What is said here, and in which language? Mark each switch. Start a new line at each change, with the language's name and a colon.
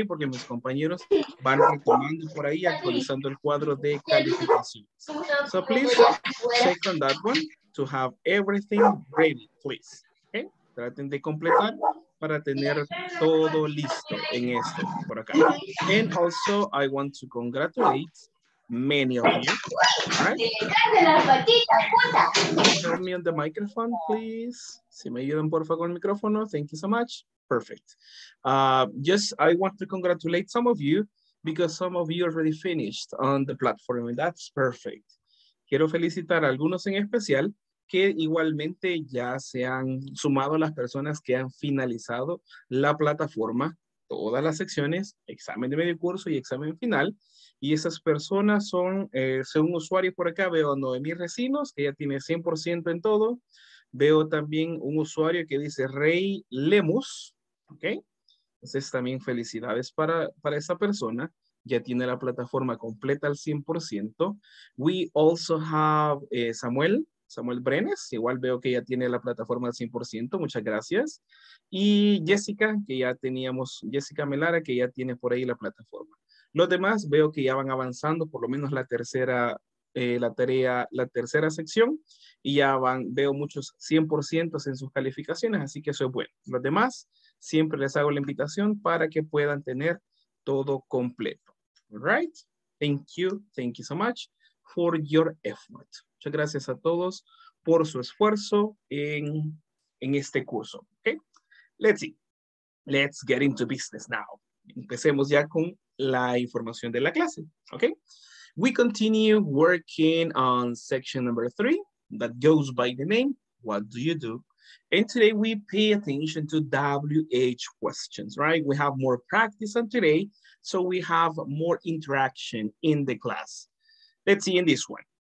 Spanish: Porque mis compañeros van retomando por ahí actualizando el cuadro de calificaciones.
English: So please, check on that one to have everything ready, please.
Spanish: Traten de completar para tener todo listo en esto por acá.
English: And also, I want to congratulate many of you. Right? Turn me on the microphone, please.
Spanish: Si me ayudan, por favor, el micrófono.
English: Thank you so much. Perfect. Just, I want to congratulate some of you because some of you already finished on the platform. And that's perfect.
Spanish: Quiero felicitar a algunos en especial que igualmente ya se han sumado las personas que han finalizado la plataforma, todas las secciones, examen de medio curso y examen final. Y esas personas son, según usuario por acá, veo a Noemí Recinos, que ya tiene 100% en todo. Veo también un usuario que dice Rey Lemus, ¿ok? Entonces también felicidades para esa persona. Ya tiene la plataforma completa al 100%.
English: We also have
Spanish: Samuel. Samuel Brenes, igual veo que ya tiene la plataforma al 100%, muchas gracias. Y Jessica, que ya teníamos, Jessica Melara, que ya tiene por ahí la plataforma. Los demás veo que ya van avanzando, por lo menos la tercera, la tarea, la tercera sección, y ya van, veo muchos 100% en sus calificaciones, así que eso es bueno. Los demás, siempre les hago la invitación para que puedan tener todo completo.
English: All right, thank you so much for your effort.
Spanish: Muchas gracias a todos por su esfuerzo en este curso.
English: Okay? Let's see. Let's get into business now.
Spanish: Empecemos ya con la información de la clase.
English: Okay? We continue working on section number 3 that goes by the name, What Do You Do? And today we pay attention to WH questions, right? We have more practice on today, so we have more interaction in the class. Let's see in this one.